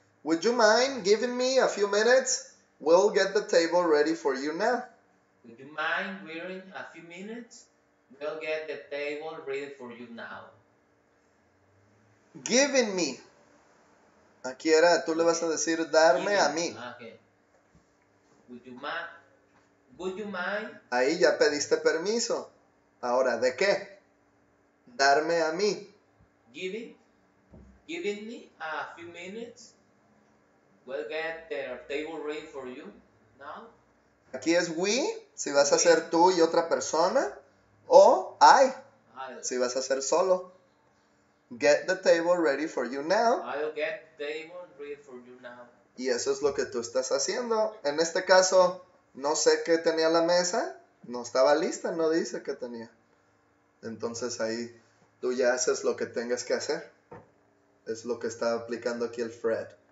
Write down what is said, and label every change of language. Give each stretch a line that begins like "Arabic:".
English: Would you mind giving me a few minutes? We'll get the table ready for you now. Would you mind waiting a few minutes? We'll get the table ready for you now. Giving me.
Spanish: Aquí era, tú le vas a decir darme a mí.
English: Okay. Would you mind?
Spanish: Ahí ya pediste permiso. Ahora, ¿de qué? Darme a mí.
English: Giving me a few minutes? We'll get the table ready for you now.
Spanish: Aquí es we, si vas a ser tú y otra persona. O I, si vas a ser solo.
English: Get the table ready for you now. I'll get the table ready for you now.
Spanish: Y eso es lo que tú estás haciendo. En este caso, no sé qué tenía la mesa. No estaba lista, no dice qué tenía. Entonces ahí tú ya haces lo que tengas que hacer. Es lo que está aplicando aquí el Fred.